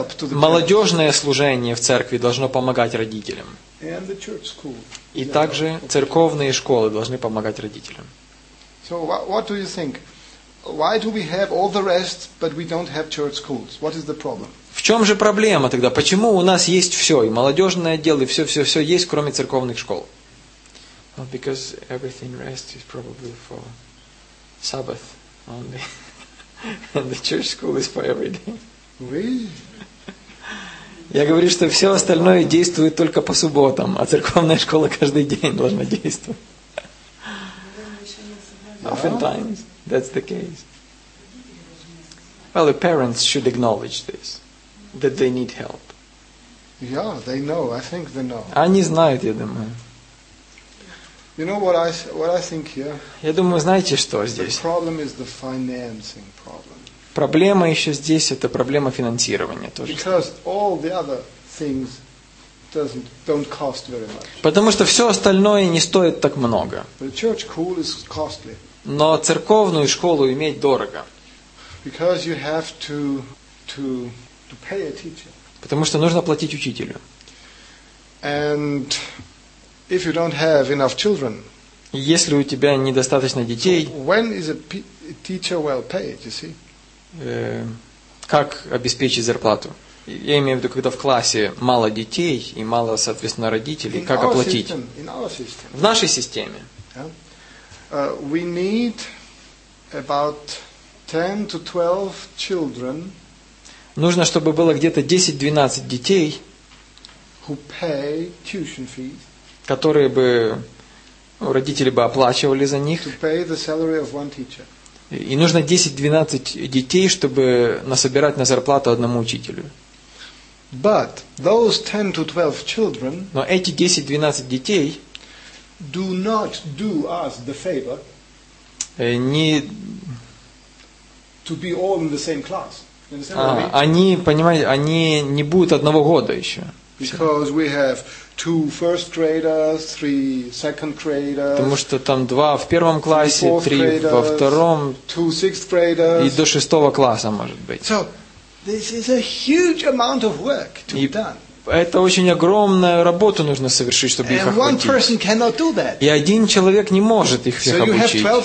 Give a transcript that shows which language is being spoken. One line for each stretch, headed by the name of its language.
Russian: Молодежное служение в церкви должно помогать родителям.
English: And the church school.
Russian: И также церковные школы должны помогать родителям.
English: So what do you think? Why do we have all the rest, but we don't have church schools? What is the problem?
Russian: В чем же проблема тогда? Почему у нас есть все, и молодежное отдел, и все есть, кроме церковных школ?
English: Well, because everything rest is probably for Sabbath only, and the church school is for every day. Really?
Russian: Я говорю, что все остальное действует только по субботам, а церковная школа каждый день должна действовать.
English: Oftentimes, that's the case. Well, the parents should acknowledge this, that they need help. Yeah, they know. I think they know.
Russian: Они знают, я думаю.
English: You know what I think here?
Russian: Я думаю, знаете, что здесь?
English: The problem is the financing problem.
Russian: Проблема еще здесь, это проблема финансирования тоже.
English: Because all the other things don't cost very much.
Russian: Потому что все остальное не стоит так много.
English: But church school is costly.
Russian: Но церковную школу иметь дорого.
English: Because you have to pay a teacher.
Russian: Потому что нужно платить учителю.
English: And if you don't have enough children.
Russian: Если у тебя недостаточно детей.
English: So when is a teacher well paid, you see?
Russian: Как обеспечить зарплату? Я имею в виду, когда в классе мало детей и мало, соответственно, родителей, как оплатить? В нашей системе.
English: We need about 10 to 12 children.
Russian: Нужно, чтобы было где-то 10-12 детей,
English: who pay tuition fees,
Russian: которые бы родители бы оплачивали за них.
English: To pay the salary of one teacher.
Russian: И нужно 10-12 детей, чтобы насобирать на зарплату одному учителю.
English: But those 10 to 12 children,
Russian: но эти 10-12 детей
English: do not do us the favor,
Russian: не
English: to be all in the same class.
Russian: Они, понимаете, они не будут одного года еще.
English: Because we have two first graders, three second graders.
Russian: Потому что там два в первом классе, три во втором,
English: two sixth graders.
Russian: И до шестого класса может быть.
English: So this is a huge amount of work to be done.
Russian: это очень огромную работу нужно совершить, чтобы их охватить. И один человек не может их всех обучить.